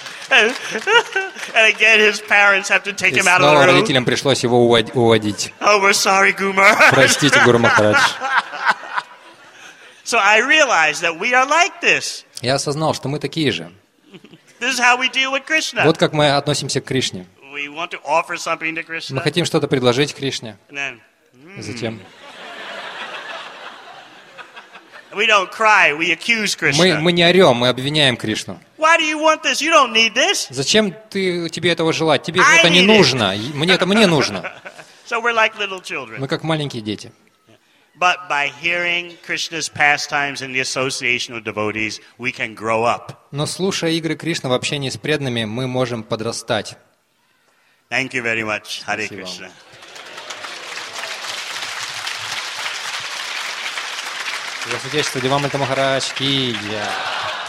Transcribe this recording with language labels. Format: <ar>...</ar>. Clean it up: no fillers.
<en>And again, his parents have to take him out of the room.</en> <ru>И снова родителям пришлось его уводить.</ru> <en>Oh, we're sorry, Guma.</en> <ru>Простите, Гуру Махарадж.</ru> <en>So I realized that we are like this.</en> <ru>Я осознал, что мы такие же.</ru> <en>This is how we deal with Krishna.</en> <ru>Вот как мы относимся к Кришне.</ru> <en>We want to offer something to Krishna.</en> <ru>Мы хотим что-то предложить Кришне.</ru> <en>And then,</en> <ru>затем.</ru> <en>We don't cry, we accuse Krishna.</en> <ru>Мы не орем, мы обвиняем Кришну.</ru> <en>Why do you want this? You don't need this.</en> <ru>Зачем тебе этого желать? Тебе это не нужно. Мне нужно.</ru> <en>So we're like little children.</en> <ru>Мы как маленькие дети.</ru> <en>But by hearing Krishna's pastimes in the association of devotees, we can grow up.</en> <ru>Но слушая игры Кришны в общении с преданными, мы можем подрастать.</ru> <en>Thank you very much. Hare Krishna.</en> <ru>Я сердечно, Дивамита Махарадж, Ки, Джай.</ru>